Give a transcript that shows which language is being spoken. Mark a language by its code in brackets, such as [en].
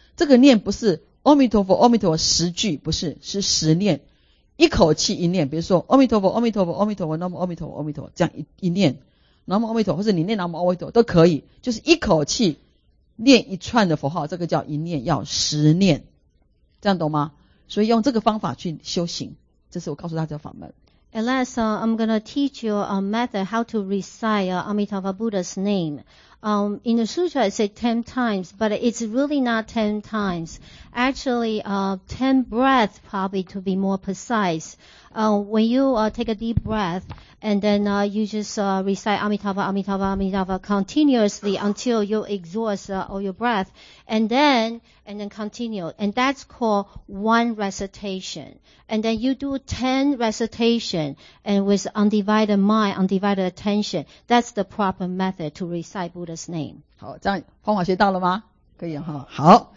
[zh] 这个念不是阿弥陀佛阿弥陀佛十句，不是，是十念，一口气一念，比如说阿弥陀佛阿弥陀佛阿弥陀佛南无阿弥陀佛阿弥陀佛，这样 一念南无阿弥陀佛，或者你念南无阿弥陀佛都可以，就是一口气念一串的佛号，这个叫一念，要十念，这样懂吗？所以用这个方法去修行，这是我告诉大家的法门。 [en] And last, I'm going to teach you a method how to recite Amitabha Buddha's name. In the sutra, it says 10 times, but it's really not 10 times. Actually, 10 breaths probably to be more precise. When you take a deep breath, and then you just recite Amitabha, Amitabha, Amitabha continuously until you exhaust all your breath, and then continue. And that's called one recitation. And then you do 10 recitation, and with undivided mind, undivided attention, that's the proper method to recite Buddha's name. [zh] 好，这样方法学到了吗？可以哈，好。